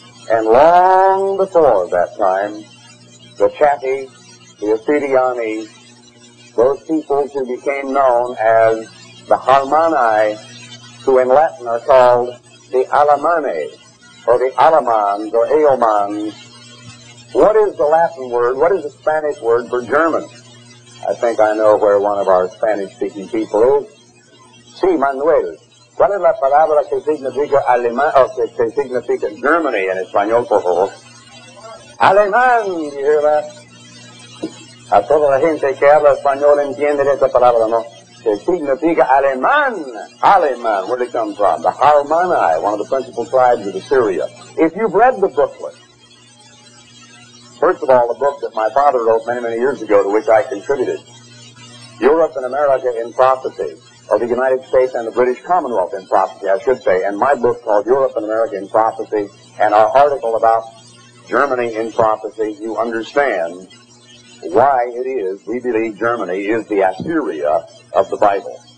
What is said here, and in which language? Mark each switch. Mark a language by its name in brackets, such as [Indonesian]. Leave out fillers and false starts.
[English] And long before that time, the Chatti, the Assyriani, those peoples who became known as the Halmani, who in Latin are called the Alamanni, or the Alamans, or Aomans. What is the Latin word, what is the Spanish word for German? I think I know where one of our Spanish-speaking people is. [Spanish] Sí, Manuel. ¿Cuál es la palabra que significa alemán, o que significa Germany en español, por favor? Alemán, [English] you hear that? [Spanish] A toda la gente que habla español entiende esa palabra, ¿no? Que significa alemán. [English] Alemán, where did it come from? The Halmani, one of the principal tribes of Assyria. If you've read the booklet, first of all, the book that my father wrote many, many years ago to which I contributed, Europe and America in Prophecy, or the United States and the British Commonwealth in Prophecy, I should say, and my book called Europe and America in Prophecy, and our article about Germany in Prophecy, you understand why it is we believe Germany is the Assyria of the Bible.